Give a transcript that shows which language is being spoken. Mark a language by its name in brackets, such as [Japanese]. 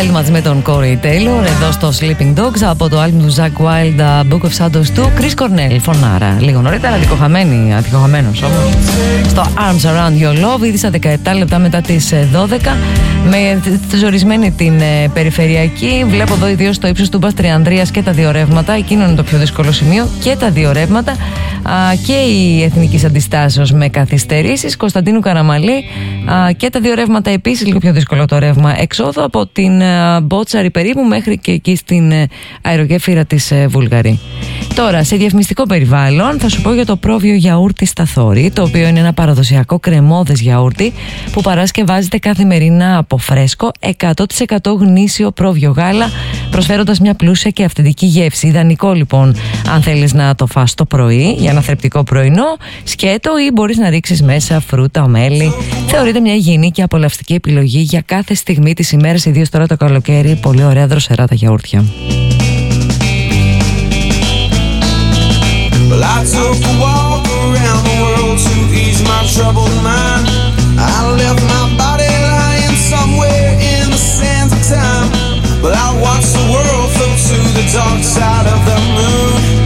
[Greek] Με τον Corey Taylor εδώ στο Sleeping Dogs από το άλμπουμ του Zach Wild, Book of Shadows 2. Chris Cornell, Φωνάρα. Λίγο νωρίτερα, αδικοχαμένος όμως. Στο Arms Around Your Love, ήδη στα 17 λεπτά μετά τις 12. Με θεσμένη την περιφερειακή, βλέπω εδώ ιδίως το ύψος του Μπας Τριανδρίας και τα δύο ρεύματα. Εκείνο είναι το πιο δύσκολο σημείο και τα δύο ρεύματα. Και η Εθνική Αντιστάσεως με καθυστερήσεις, Κωνσταντίνου Καραμαλή. Και τα δύο ρεύματα επίσης, λίγο πιο δύσκολο το ρεύμα εξόδου από την Μπότσαρη περίπου μέχρι και εκεί στην αερογέφυρα της Βούλγαρη. Τώρα, σε διαφημιστικό περιβάλλον, θα σου πω για το πρόβιο γιαούρτι Σταθόρη, το οποίο είναι ένα παραδοσιακό κρεμώδες γιαούρτι που παρασκευάζεται καθημερινά από φρέσκο, 100% γνήσιο πρόβιο γάλα, προσφέροντας μια πλούσια και αυθεντική γεύση. Ιδανικό λοιπόν, αν θέλεις να το φας το πρωί, για ένα θρεπτικό πρωινό, σκέτο ή μπορείς να ρίξεις μέσα φρούτα, ομέλι. Θεωρείται μια υγιεινή και απολαυστική επιλογή για κάθε στιγμή της ημέρας, ιδίως τώρα το καλοκαίρι, πολύ ωραία δροσερά τα γιαούρτια. [English] Well, I took a walk around the world to ease my troubled mind. I left my body lying somewhere in the sands of time. But I watched the world float to the dark side of the moon.